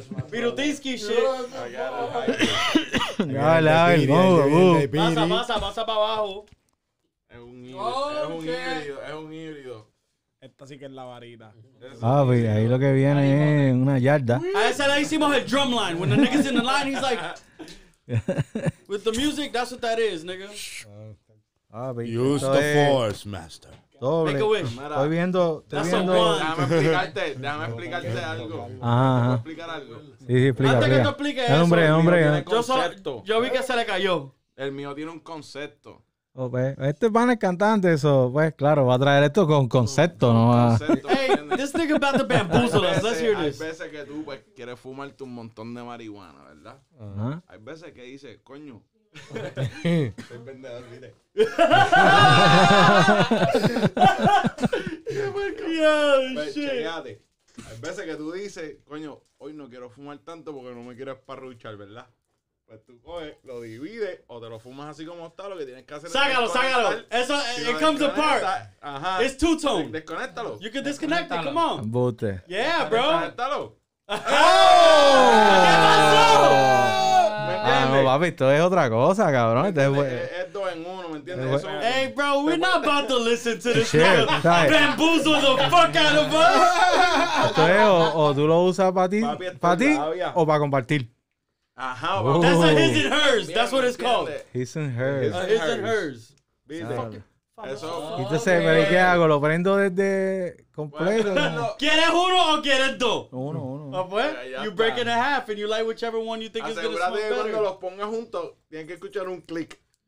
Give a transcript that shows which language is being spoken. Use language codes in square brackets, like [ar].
[en] Pirutinsky shit. [es] A ver, a ver. Pasa para abajo. Es un híbrido. Esta sí que es la varita. Ah, pues ahí lo que viene ahí, es man. Una yarda. A ese le hicimos el drum line. [en] When the nigga's in the line, he's like... With the music, that's what that is, nigga. Use the force, master. [es] Doble. [en] Make a wish. [es] Estoy viendo... [en] That's [es] viendo. [en] A one. [es] Déjame explicarte algo. Ajá. Explica. Que te explique eso. Yo vi que se le cayó. El mío tiene un concepto. Oh, pues, este pan es cantante, eso, pues claro, va a traer esto con concepto, ¿no? [en] Hey, this nigga about to bamboozle us, let's hear this. [es] Hay veces que tú, pues, quieres fumarte un montón de marihuana, ¿verdad? Uh-huh. Hay veces que dices, coño. Soy vendedor, mire. Qué marquillado, pues, [en] shit. [es] Chequeate. Hay veces que tú dices, coño, hoy no quiero fumar tanto porque no me quiero esparruchar, ¿verdad? Pues tú coges, lo divides o te lo fumas así como está, lo que tienes que hacer es... ¡Sácalo! Eso, [en] it comes apart. Ajá. It's two-tone. [es] Desconéctalo. [en] You can disconnect it, come on. [es] Bote. [en] Yeah, bro. [es] Desconéctalo. ¡Oh! ¡Oh! Ah, no, papi, esto es otra cosa, cabrón. Es dos en uno, ¿me entiendes? Eso, [en] hey, bro, we're not about to listen to this shit. Bamboozle the fuck out of us. [es] Esto es, o tú lo usas para ti o para compartir. Ajá, [en] oh. That's a his and hers. That's what it's called. His and hers. His and hers. [es] Viste. Entonces, ¿pero qué hago? ¿Lo prendo desde completo? ¿Quieres uno o quieres dos? Uno. ¿O pues? [en] You break it in half and you light whichever one you think is going to smoke better. [es] Cuando los pongas juntos, tienen que escuchar un click.